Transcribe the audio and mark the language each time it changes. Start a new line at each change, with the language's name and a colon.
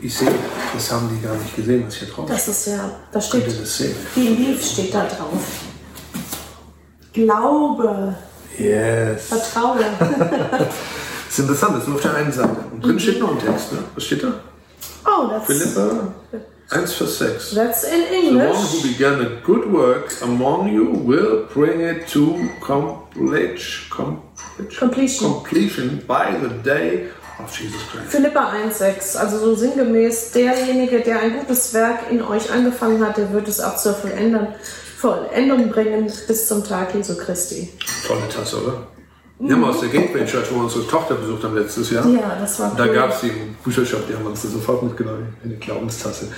German: Ich sehe, das haben die gar nicht gesehen, was hier drauf ist. Das ist ja, da steht, das sehen? Viel lief steht da drauf. Glaube.
English: Yes.
German: Vertraue. Das ist interessant, das ist nur auf der einen Seite. Und drin steht noch ein Text, ne? Was steht da? Oh, das ist. Philippa 1, Vers 6.
English: That's in English. The one who began a good work among you will bring it to completion. Completion by the day of Jesus Christ.
German: Philippa 1, 6. Also so sinngemäß, derjenige, der ein gutes Werk in euch angefangen hat, der wird es auch zur Vollendung bringen bis zum Tag Jesu Christi. Tolle Tasse, oder? Wir haben aus der Gateway Church, wo wir unsere Tochter besucht haben letztes Jahr. Ja, das war und cool. Da gab es die Bücherschaft, die haben uns das sofort mitgenommen, eine Glaubenstasse.